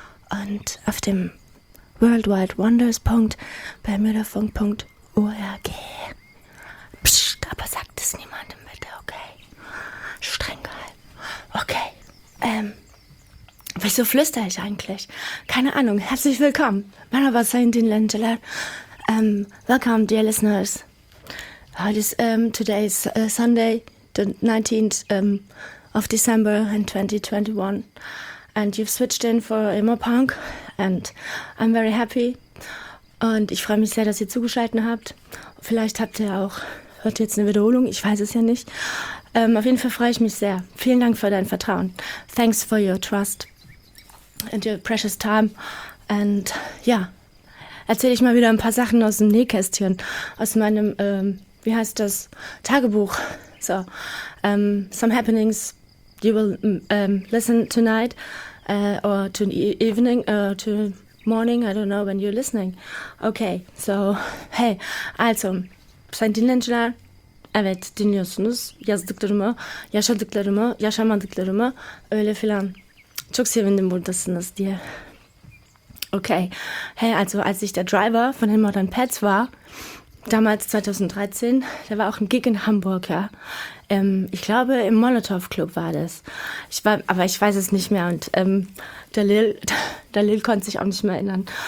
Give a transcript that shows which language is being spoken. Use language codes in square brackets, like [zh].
[de] Und auf dem worldwidewonders.bermudafunk.org. Psst, aber sagt es niemandem bitte, okay? Streng geil. Okay, wieso flüstere ich eigentlich? Keine Ahnung. Herzlich willkommen. Mein Name ist Saintin Lentela. [en] Welcome, dear listeners. Today is Sunday, the 19th of December in 2021. And you've switched in for Immer Punk. And I'm very happy. [de] Und ich freue mich sehr, dass ihr zugeschaltet habt. Vielleicht habt ihr auch, hört jetzt eine Wiederholung. Ich weiß es ja nicht. Auf jeden Fall freue ich mich sehr. Vielen Dank für dein Vertrauen. [en] Thanks for your trust and your precious time. [de] And ja, erzähle ich mal wieder ein paar Sachen aus dem Nähkästchen, aus meinem, wie heißt das, Tagebuch. [en] So, some happenings you will listen tonight or to evening or to morning, I don't know when you're listening. [tr] Okay, so, hey, also, Saintin Lentela, evet, dinliyorsunuz, yazdıklarımı, yaşadıklarımı, yaşamadıklarımı, öyle filan. Çok sevindim buradasınız diye. Okay. [de] Hey, also als ich der Driver von den Modern Pets war, damals 2013, da war auch ein Gig in Hamburg, ja. Ich glaube, im Molotow Club war das. Aber ich weiß es nicht mehr. Und der Lil konnte sich auch nicht mehr erinnern.